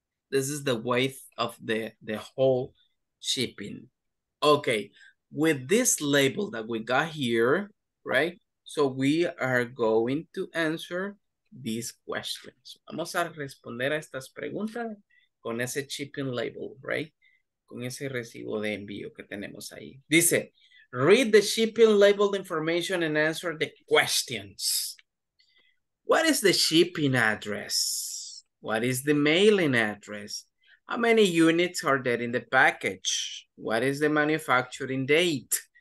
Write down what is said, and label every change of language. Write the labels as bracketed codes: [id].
[en] This is the weight of the whole shipping. Okay, with this label that we got here, right? So we are going to answer these questions. [es] Vamos a responder a estas preguntas con ese shipping label, right? Con ese recibo de envío que tenemos ahí. [en] Dice, read the shipping label information and answer the questions. What is the shipping address? What is the mailing address? How many units are there in the package? What is the manufacturing date?